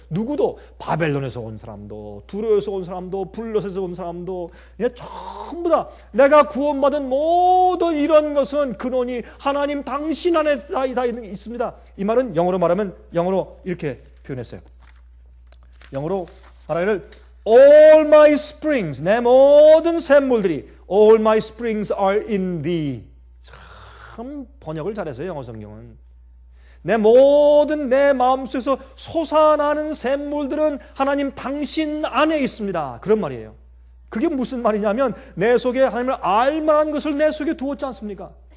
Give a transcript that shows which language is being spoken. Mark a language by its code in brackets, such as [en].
[ko] 누구도 바벨론에서 온 사람도 두로에서 온 사람도 블롯에서 온 사람도 전부 다 내가 구원받은 모든 이런 것은 근원이 하나님 당신 안에 다 있습니다. 이 말은 영어로 말하면 영어로 이렇게 표현했어요. 영어로 말하기를 [en] All my springs [ko] 내 모든 샘물들이 [en] All my springs are in thee. [ko] 참 번역을 잘해서요 영어 성경은. 내 모든 내 마음속에서 솟아나는 샘물들은 하나님 당신 안에 있습니다. 그런 말이에요. 그게 무슨 말이냐면 내 속에 하나님을 알만한 것을 내 속에 두었지 않습니까?